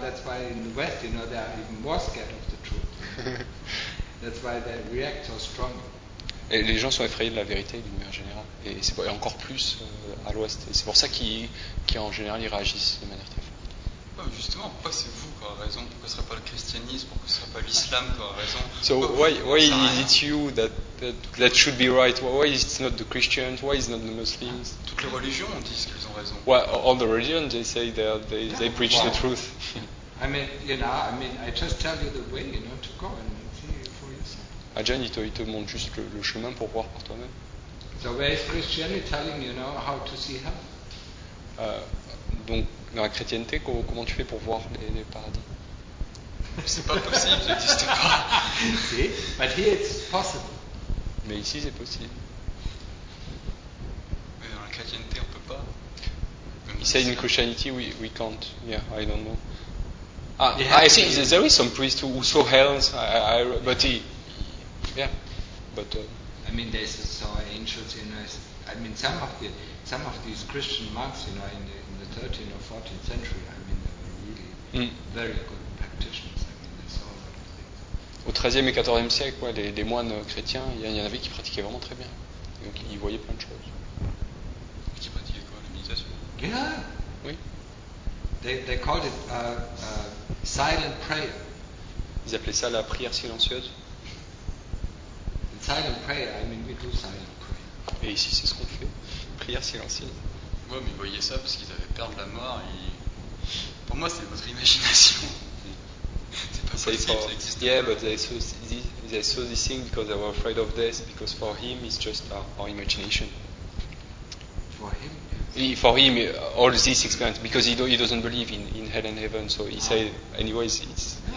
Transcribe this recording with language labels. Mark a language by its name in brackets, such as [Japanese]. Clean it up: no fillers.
[English] That's why in the West, you know, they are even more scared of the truth. That's why they react so strongly. [French] Et les gens sont effrayés de la vérité d'une manière générale, et c'est pour, et encore plus à l'Ouest. Et c'est pour ça qu'ils en général ils réagissent de manière très forte. Oh, justement, pourquoi c'est vous qui avez raison? Pourquoi ce serait pas le christianisme? Pourquoi ce serait pas l'islam qui a raison? [English] So why is it you that should be right? Why is it not the Christians? Why is it not the Muslims? [French] Toutes les religions disent qu'elles ont raison. [English] Well, all the religions they say they preach the truth. I mean, I just tell you the way, you know, to go and see for yourself. [French] Ajahn, il te montre juste le chemin pour voir par toi-même. [English] So where is Christianity telling you now how to see hell? [French] Donc dans la chrétienté, comment tu fais pour voir les paradis? C'est pas possible, je dis pas. [English] See, but here it's possible. [French] Mais ici c'est possible. Mais dans la chrétienté, on peut pas. [English] Il say in Christianity we can't. Yeah, I don't know. Ah, I see. There is some priest who saw hell, but he. Yeah, but. I mean, there's also angels in us. I mean, some of these Christian monks, you know, in the 13th or 14th century, I mean, they were really very good practitioners. I mean, they saw a lot of things. [French] Au 13e et 14e siècle, ouais, les moines chrétiens, il y en avait qui pratiquaient vraiment très bien. Donc, ils voyaient plein de choses. Qui pratiquaient quoi, la méditation? [English] Yeah. [French] Oui. [English] They called it a silent prayer. [French] Ils appelaient ça la prière silencieuse. [English] And silent prayer, I mean, we do silent prayer. [French] Et ici, c'est ce qu'on fait, prière silencieuse. Ouais, mais ils voyaient ça parce qu'ils avaient peur de la mort. Et... Pour moi, c'est votre imagination. C'est pas possible, ça existe. [English] Yeah, but they saw this thing because they were afraid of death. Because for him, it's just our imagination. For him. For him, all these experiences, because he doesn't believe in hell and heaven, so he said, anyways, it's...